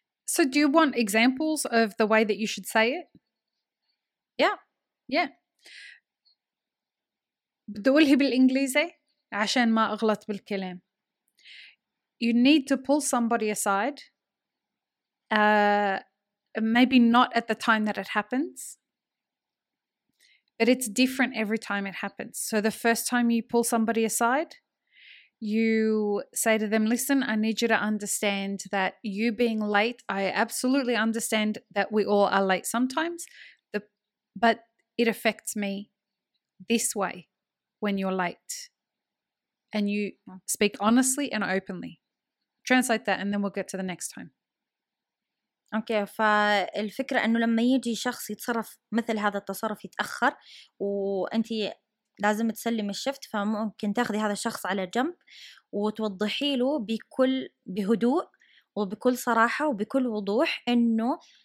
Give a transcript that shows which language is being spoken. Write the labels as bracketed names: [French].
[English] So do you want examples of the way that you should say it? Yeah. [Arabic] بدي أقولها بالإنجليزي عشان ما أغلط بالكلام. [English] You need to pull somebody aside. Maybe not at the time that it happens. But it's different every time it happens. So the first time you pull somebody aside, you say to them, listen, I need you to understand that you being late, I absolutely understand that we all are late sometimes, but it affects me this way when you're late. And you speak honestly and openly. Translate that and then we'll get to the next time. [Arabic] اوكي، فالفكرة انه لما يجي شخص يتصرف مثل هذا التصرف، يتأخر وانت لازم تسلم الشفت، فممكن تاخذي هذا الشخص على جنب وتوضحي له بكل بهدوء وبكل صراحة وبكل وضوح انه